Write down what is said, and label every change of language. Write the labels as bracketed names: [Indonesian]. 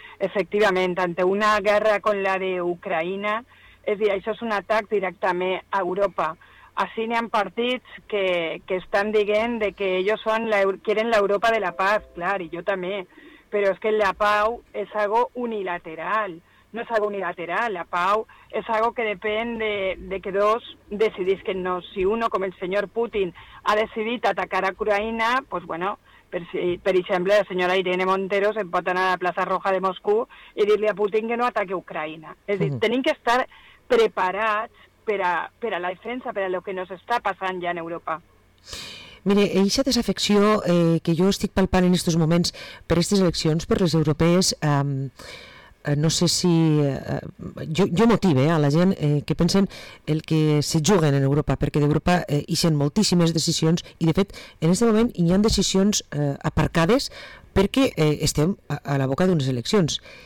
[Catalan] Efectivament, ante una guerra com la d'Ucraïna, és dir, això és un atac directament a Europa. Així n'hi ha partits que estan dient de que ells són [Spanish] quieren [Catalan] l'Europa [Spanish] de la paz, [Catalan] clar, i jo també, però és que la pau és algo unilateral. [Spanish] No es algo unilateral, [Catalan] la pau [Spanish] es algo que depende de que dos [Catalan] decidís [Spanish] que no. Si uno, como el señor Putin, ha decidido atacar a Ucrania, pues bueno, [Catalan] per exemple, [Spanish] la señora Irene Montero se [Catalan] pot anar [Spanish] a la Plaza Roja de Moscú y decirle a Putin que no ataque Ucrania. Es decir, [Catalan] tenim que estar preparats per a [Spanish] la defensa, per a lo que nos está pasando ya en Europa. [Catalan] Mire, eixa desafecció que jo estic palpant en estos moments per aquestes eleccions, per les europees, no sé si... jo motive a la gent que pensen el que se juguen en Europa, perquè d'Europa hi ha moltíssimes decisions i, de fet, en aquest moment hi ha decisions aparcades perquè estem a la boca d'unes eleccions.